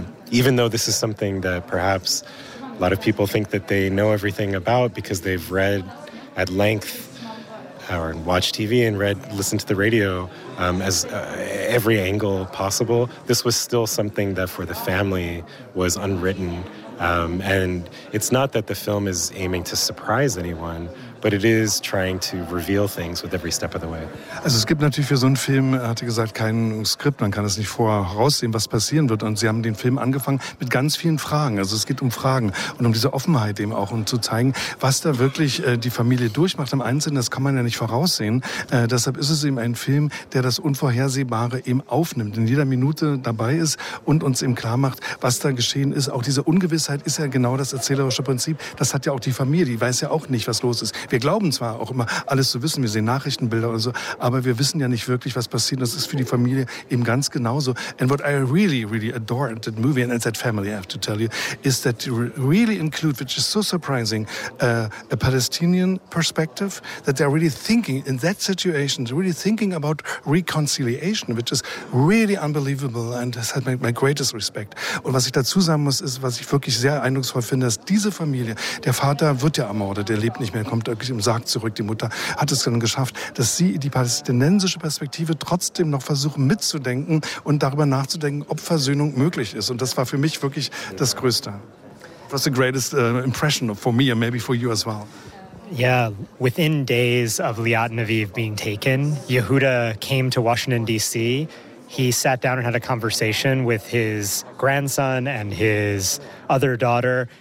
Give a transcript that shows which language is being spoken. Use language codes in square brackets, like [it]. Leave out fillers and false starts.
[en] Even though this is something that perhaps a lot of people think that they know everything about because they've read at length or watched TV and listened to the radio as every angle possible, this was still something that for the family was unwritten. And it's not that the film is aiming to surprise anyone, but it is trying to reveal things with every step of the way. [de] Also es gibt natürlich für so einen Film, hatte gesagt, kein Skript, man kann es nicht voraussehen, was passieren wird. Und sie haben den Film angefangen mit ganz vielen Fragen. Also es geht um Fragen und um diese Offenheit eben auch, um zu zeigen, was da wirklich die Familie durchmacht im Einzelnen. Das kann man ja nicht voraussehen. Deshalb ist es eben ein Film, der das Unvorhersehbare eben aufnimmt, in jeder Minute dabei ist und uns eben klar macht, was da geschehen ist. Auch diese Ungewissheit ist ja genau das erzählerische Prinzip. Das hat ja auch die Familie, die weiß ja auch nicht, was los ist. Wir glauben zwar auch immer, alles zu wissen, wir sehen Nachrichtenbilder und so, aber wir wissen ja nicht wirklich, was passiert. Das ist für die Familie eben ganz genauso. [en] And what I really, really adore in that movie, and in that family, I have to tell you, is that you really include, which is so surprising, a Palestinian perspective, that they're really thinking in that situation, really thinking about reconciliation, which is really unbelievable, and has had my greatest respect. [de] Und was ich dazu sagen muss, ist, was ich wirklich sehr eindrucksvoll finde, dass diese Familie, der Vater wird ja ermordet, er lebt nicht mehr, kommt wirklich im Sarg zurück, die Mutter hat es dann geschafft, dass sie die palästinensische Perspektive trotzdem noch versuchen mitzudenken und darüber nachzudenken, ob Versöhnung möglich ist. Und das war für mich wirklich das Größte. [en] What's the greatest impression for me and maybe for you as well? Yeah, within days of Liat Naviv being taken, Yehuda came to Washington, D.C. He sat down and had a conversation with his grandson and his other daughter.